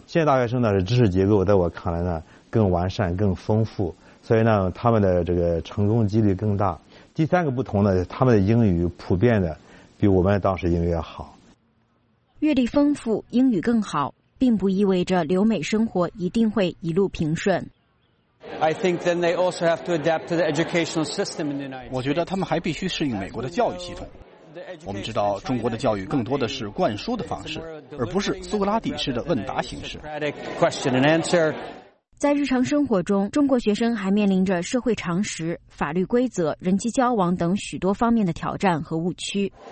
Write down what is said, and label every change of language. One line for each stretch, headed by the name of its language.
Chinese: 现在大学生呢，是知识结构在我看来呢更完善、更丰富，所以呢他们的这个成功几率更大。第三个不同呢，他们的英语普遍的比我们当时英语要好。阅历丰富、英语更好，并不意味着留美生活一定会一路平顺。
English: I think then they also have to adapt to the educational system in the United States.
Chinese: 我觉得他们还必须适应美国的教育系统。我们知道中国的教育更多的是灌输的方式，而不是苏格拉底式的问答形式。在日常生活中，中国学生还面临着社会常识、法律规则、人际交往等许多方面的挑战和误区。